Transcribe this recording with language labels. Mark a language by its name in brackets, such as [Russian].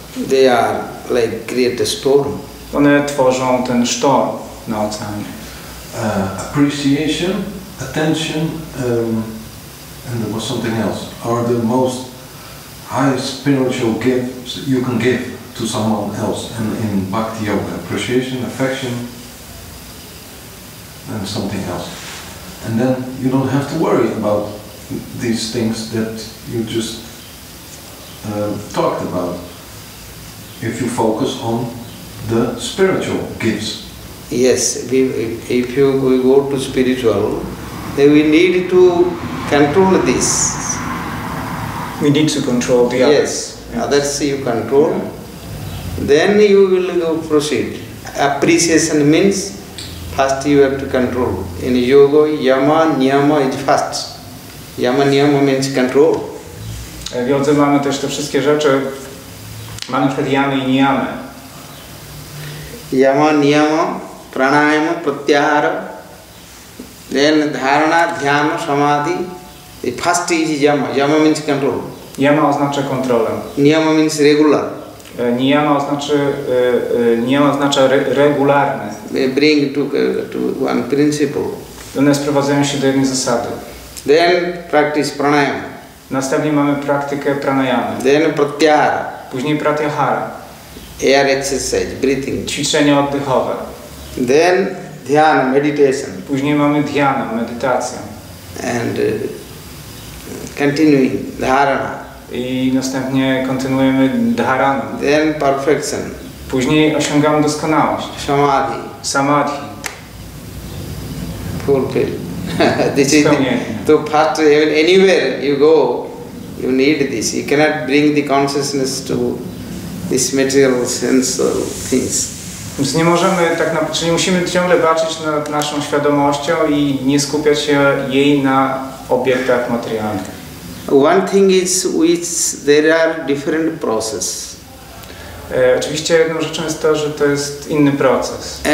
[English] They are like create a storm. [Polish] One tworzą ten sztorm na oceanie. [English] Appreciation, attention, and there was something else. Are the most high spiritual gifts you can give to someone else in Bhakti Yoga. Appreciation, affection, and something else. And then you don't have to worry about these things that you just talked about. If you focus on the spiritual gifts. Yes, if we go to spiritual, then we need to control this. We need to control the others. Yes, others you control, then you will go proceed. Appreciation means first you have to control. In yoga, yama, niyama is first. Yama, niyama means control. [Polish] W jodze mamy też te wszystkie rzeczy. Mamy przed yamy i niyamy. [English] Yama, niyama, pranayama, pratyahara, then dharana, dhyana, samadhi. First is yama. Yama means control. [Polish] Yama oznacza kontrolę. [English] Niyama means regular. [Polish] Niyama oznacza, regularne. [English] They bring to one principle. [Polish] One sprowadzają się do jednej zasady. [English] Then practice pranayama. [Polish] Następnie mamy praktykę pranayamy. [English] Then pratyahara. [Polish] Później pratyahara. [English] Air exercise, breathing. [Polish] Ćwiczenia oddechowe. [English] Then dhyana, meditation. [Polish] Później mamy dhyana, medytację. [English] And continuing dharana. [Polish] I następnie kontynuujemy dharan. [English] Then perfection. [Polish] Później osiągamy doskonałość. [English] Samadhi. [Polish] Samadhi. [English] Fulfill. This is to part even anywhere you go, you need this. You cannot bring the consciousness to this material sense things. [Polish] Więc nie możemy tak czyli musimy ciągle baczyć nad naszą świadomością i nie skupiać się jej na obiektach materialnych. [English] One thing is which there are different process. [Polish] Oczywiście jedną rzeczą jest to, że to jest inny proces.